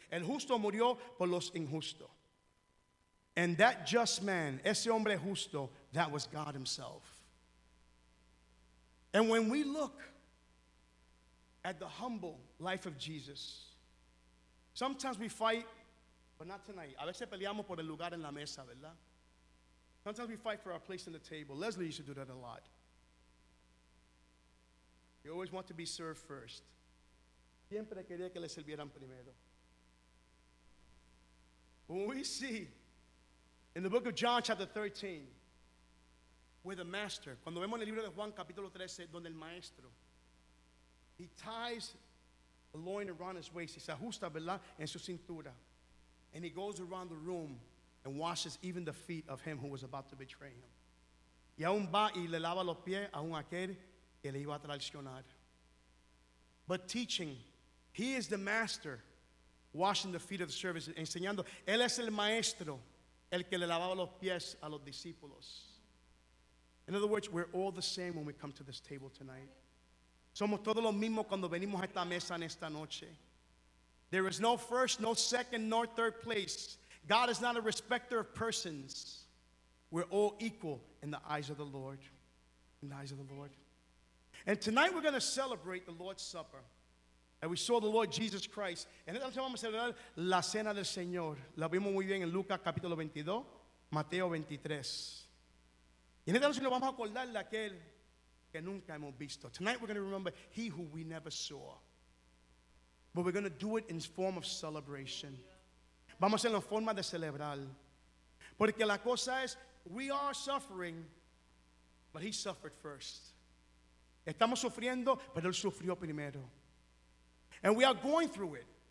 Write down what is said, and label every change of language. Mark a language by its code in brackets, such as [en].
[es] El justo murió por los injustos. [en] And that just man, [es] ese hombre justo, [en] that was God himself. And when we look at the humble life of Jesus, sometimes we fight, but not tonight. [es] A veces peleamos por el lugar en la mesa, ¿verdad? [en] Sometimes we fight for our place in the table. Leslie used to do that a lot. You always want to be served first. [es] Siempre quería que le sirvieran primero. [en] When we see in the book of John, chapter 13, with the master. [es] Cuando vemos en el libro de Juan capítulo 13 donde el maestro, [en] he ties a loin around his waist, [es] se ajusta, ¿verdad?, en su cintura. [en] And he goes around the room and washes even the feet of him who was about to betray him. [es] Y aún va y le lava los pies a un aquel que le iba a traicionar. [en] But teaching, he is the master washing the feet of the servants, [es] enseñando. Él es el maestro, el que le lavaba los pies a los discípulos. [en] In other words, we're all the same when we come to this table tonight. [es] Somos todos los mismos cuando venimos a esta mesa en esta noche. [en] There is no first, no second, nor third place. God is not a respecter of persons. We're all equal in the eyes of the Lord. In the eyes of the Lord. And tonight we're going to celebrate the Lord's Supper. And we saw the Lord Jesus Christ. [es] En esta noche vamos a celebrar la cena del Señor. La vimos muy bien en Lucas capítulo 22, Mateo 23. Y en esta noche nos vamos a acordar de aquel que nunca hemos visto. [en] Tonight we're going to remember he who we never saw. But we're going to do it in form of celebration. [es] Vamos a hacerlo en forma de celebrar. Porque la cosa es, [en] we are suffering, but he suffered first. [es] Estamos sufriendo, pero él sufrió primero. [en] And we are going through it.